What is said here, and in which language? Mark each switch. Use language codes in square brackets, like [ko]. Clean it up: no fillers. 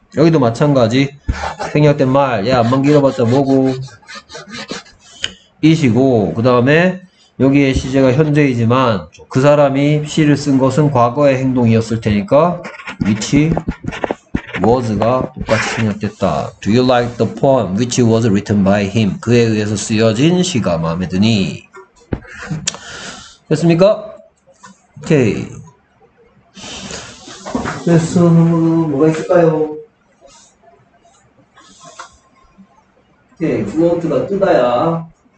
[ko] 여기도 마찬가지 생략된 말, 야, 안만 길어봤자 뭐고 이시고 그 다음에 여기에 시제가 현재이지만 그 사람이 시를 쓴 것은 과거의 행동이었을 테니까 which was가 똑같이 생략됐다. [en] Do you like the poem which was written by him? [ko] 그에 의해서 쓰여진 시가 마음에 드니. 됐습니까? 오케이. 됐어. 뭐가 있을까요? 오케이. 루어트가 뜨다야.